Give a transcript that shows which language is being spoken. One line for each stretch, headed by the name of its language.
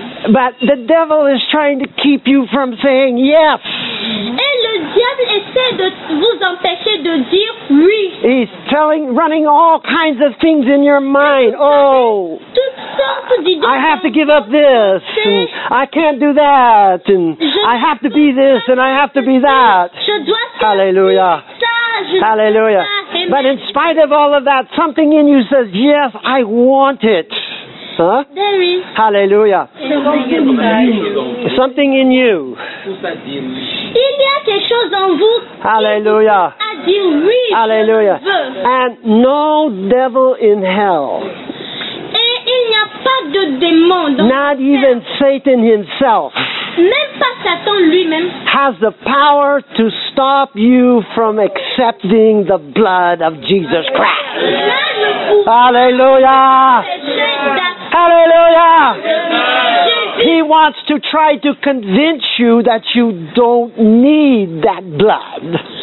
English: But the devil is trying to keep you from saying yes.
French: Et le diable essaie de vous empêcher de dire oui.
English: He's running all kinds of things in your mind. Oh, I have to give up this. I can't do that. And I have to be this and I have to be that. Hallelujah. Hallelujah. But in spite of all of that, something in you says, yes, I want it. Huh? There is. Hallelujah. Something in you.
French: Il y a quelque chose en vous.
English: Hallelujah.
French: Oui,
English: Hallelujah. And no devil in hell.
French: Et il n'y a pas de démon dans
English: Not even
French: terre.
English: Satan himself.
French: Même pas Satan lui-même.
English: Has the power to stop you from accepting the blood of Jesus Christ. Hallelujah. Hallelujah! He wants to try to convince you that you don't need that blood.